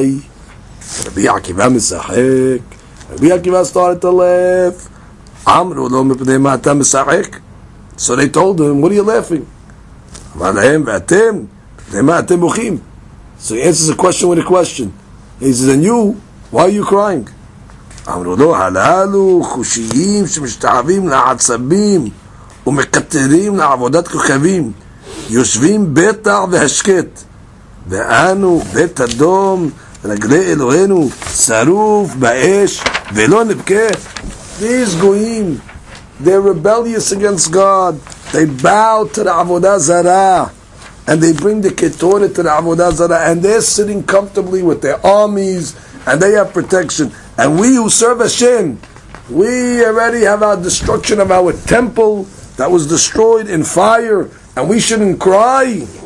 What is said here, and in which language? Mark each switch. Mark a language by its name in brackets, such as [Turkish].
[English] Rabbi Akiva misachek. Rabbi Akiva started to laugh. [Hebrew] Amru lo mepnei ma'ata misachek. [English] So they told him, what are you laughing? [Hebrew] Amar lahem v'atem, pnei ma'atem bochim. [English] So he answers a question with a question. He says, and you, why are you crying? [Hebrew] Amru lo halalu chushiyim shemishtahavim la'atzabim. ומקטרים לעבודת כוכבים, יושבים בטע והשקט, ואנו בית אדום, רגלי אלוהינו, שרוף באש, ולא נבכה. [English] These goyim, they're rebellious against God, they bow to the עבודה זרה, and they bring the קטורת to the עבודה זרה, and they're sitting comfortably with their armies, and they have protection. And we who serve Hashem, we already have our destruction of our temple, that was destroyed in fire, and we shouldn't cry.